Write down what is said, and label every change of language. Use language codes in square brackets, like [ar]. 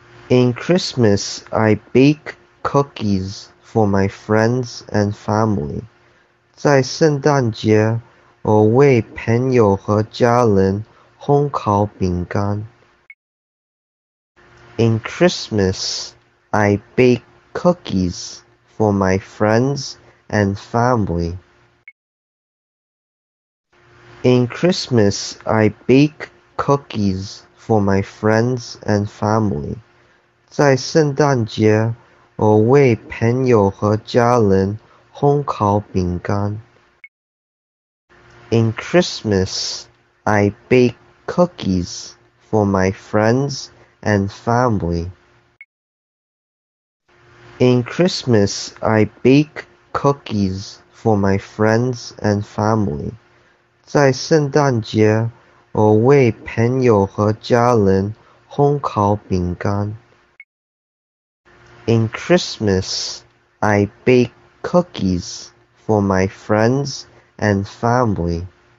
[en] In Christmas, I bake cookies for my friends and family. [zh] 在圣诞节，我为朋友和家人烘烤饼干。 [en] In Christmas, I bake cookies for my friends and family. In Christmas, I bake cookies for my friends and family. [zh] 在圣诞节，我为朋友和家人烘烤饼干。 [en] In Christmas, I bake cookies for my friends and family. In Christmas, I bake cookies for my friends and family. [zh] 在圣诞节，我为朋友和家人烘烤饼干。 [en] In Christmas, I bake cookies for my friends and family.